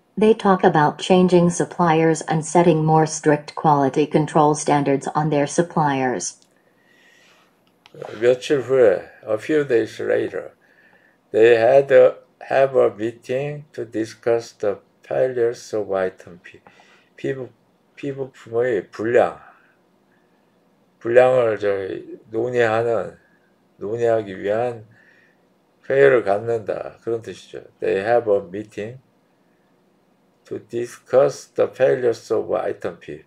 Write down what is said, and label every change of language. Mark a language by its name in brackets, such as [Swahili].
[English] They talk about changing suppliers and setting more strict quality control standards on their suppliers. [Korean] 며칠 후에, [English] a few days later, they had to have a meeting to discuss the failures of item P. [Korean] 피부품의 불량, 불량을 저희 논의하기 위한 회의를 갖는다. 그런 뜻이죠. [English] They have a meeting to discuss the failures of item P.